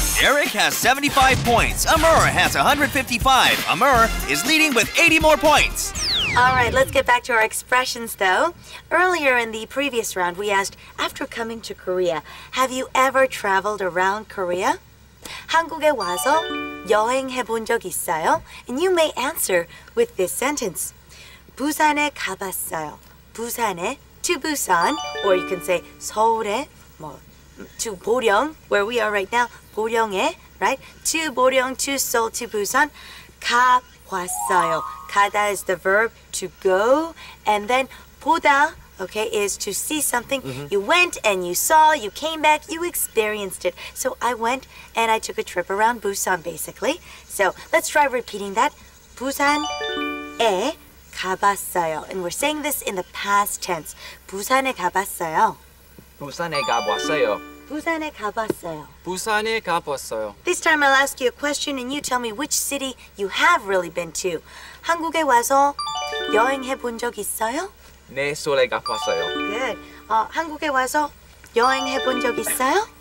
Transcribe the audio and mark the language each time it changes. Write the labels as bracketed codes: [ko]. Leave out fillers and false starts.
[en] Eric has 75 points. Amur has 155. Amur is leading with 80 more points. All right, let's get back to our expressions, though. Earlier in the previous round, we asked, after coming to Korea, have you ever traveled around Korea? [ko] 한국에 와서 여행해본 적 있어요? [en] And you may answer with this sentence. [ko] 부산에 가봤어요. [en] 부산에, to Busan, or you can say [ko] 서울에, [en] 뭐, to 보령, where we are right now, [ko] 보령에, [en] right? To 보령, to Seoul, to Busan, [ko] 가봤어요. [en] 가다 is the verb to go, and then 보다, okay, is to see something. Mm-hmm. You went and you saw, you came back, you experienced it. So I went and I took a trip around Busan, basically. So let's try repeating that. [ko] 부산에 가봤어요. [en] And we're saying this in the past tense. [ko] 부산에 가봤어요. 부산에 가봤어요. 부산에 가봤어요. 부산에 가봤어요. [en] This time I'll ask you a question and you tell me which city you have really been to. [ko] 한국에 와서 여행해본 적 있어요? 네, 서울에 가봤어요. [en] Good. [ko] 한국에 와서 여행해본 적 있어요?